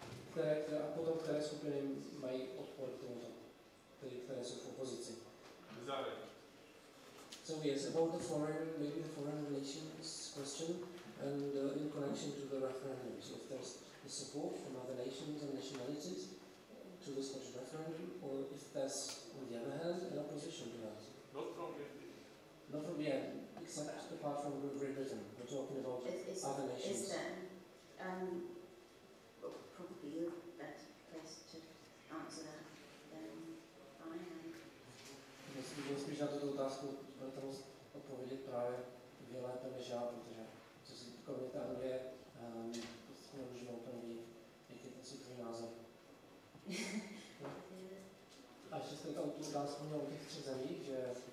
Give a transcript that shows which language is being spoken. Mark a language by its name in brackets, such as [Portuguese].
[Czech] Které, a potom které skupiny mají odpor k tomuto, tedy které jsou v opozici. [English] So yes, about the foreign, maybe the foreign relations question and in connection to the referendum. So if there's the support from other nations and nationalities to this Scottish referendum, or if there's, on the other hand, an opposition to that. Not from Britain. Not from, yeah, except apart from Great Britain. We're talking about is, other nations. Is there, probably you're better placed to answer that than I am. [Czech] Myslím, že spíš na tuto otázku budete moct odpovědět právě vy lépe než já, protože co si týká mě ta Anglie, prostě nemůžeme úplně vidět, jak je ten světový názor. A ještě jste tu otázku měl o těch třech zemích, že...